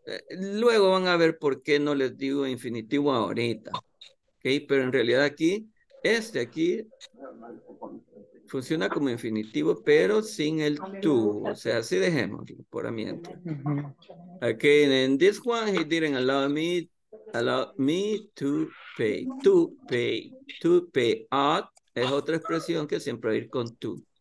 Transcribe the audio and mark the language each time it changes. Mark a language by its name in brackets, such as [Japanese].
[Spanish] luego van a ver por qué no les digo infinitivo ahorita, ¿ok? Pero en realidad aquí, este aquí, funciona como infinitivo, pero sin el tú. O sea, así dejémoslo, por ambiente. [English] Ok, en this one, he didn't allow me... Allow me to pay, to pay, to pay out [Spanish] es otra expresión que siempre va a ir con to.